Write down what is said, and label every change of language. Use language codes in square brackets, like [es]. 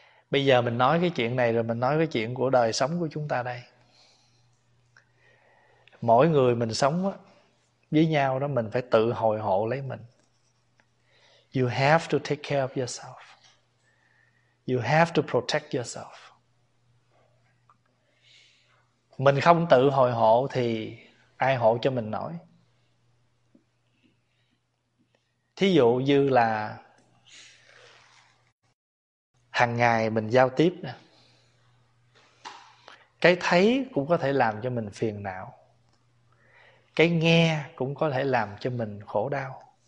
[vi] Bây giờ mình nói cái chuyện này rồi mình nói cái chuyện của đời sống của chúng ta đây. Mỗi người mình sống á, với nhau đó, mình phải tự hồi hộ lấy mình. [en] You have to take care of yourself. You have to protect yourself. [vi] Mình không tự hồi hộ thì ai hộ cho mình nổi? Thí dụ như là hàng ngày mình giao tiếp nè, cái thấy cũng có thể làm cho mình phiền não, cái nghe cũng có thể làm cho mình khổ đau.